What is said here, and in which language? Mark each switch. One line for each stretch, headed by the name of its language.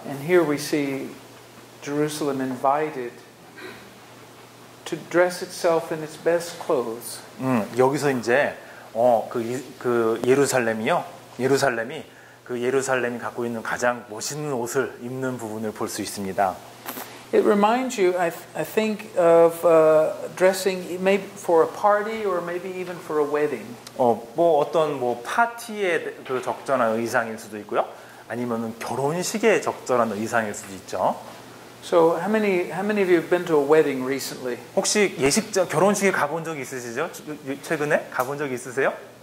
English: And here we see Jerusalem invited. To dress itself in its best clothes.
Korean: 여기서 이제 그 예루살렘이요. 예루살렘이 갖고 있는 가장 멋있는 옷을 입는 부분을 볼 수 있습니다.
English: It reminds you, I think, of dressing maybe for a party or maybe even for a wedding.
Korean: 어떤 파티에 그 적절한 의상일 수도 있고요. 아니면은 결혼식에 적절한 의상일 수도 있죠.
English: So how many of you have been to a wedding recently?
Korean: 혹시 결혼식에 가본 적 있으시죠? 최근에 가본 적 있으세요?